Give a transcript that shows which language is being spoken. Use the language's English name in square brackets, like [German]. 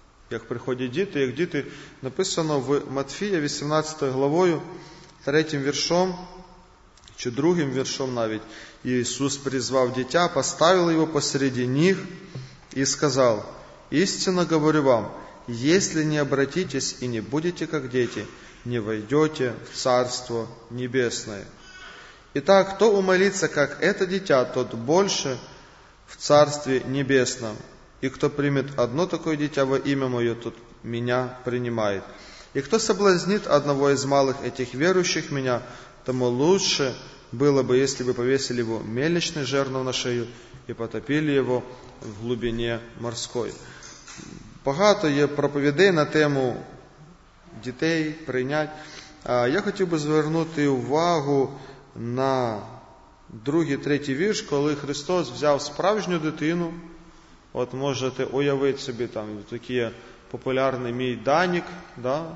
[Ukrainian] Як приходять діти, як діти, написано в Матфія 18 главою, 3 віршом, чи 2 віршом навіть, Ісус призвав дитя, поставив його посреди ніг і сказав: [Russian] «Істинно говорю вам, если не обратитесь и не будете как дети, не войдете в Царство Небесное». Итак, кто умолится, как это дитя, тот больше в Царстве Небесном. И кто примет одно такое дитя во имя Мое, тот Меня принимает. И кто соблазнит одного из малых этих верующих Меня, тому лучше было бы, если бы повесили его мельничный жернов на шею и потопили его в глубине морской. [Ukrainian] Багато є проповідей на тему дітей, прийнять. А я хотів би звернути увагу на 2-3 вірш, коли Христос взяв справжню дитину. От можете уявити собі, там такі популярний мій Данік, да?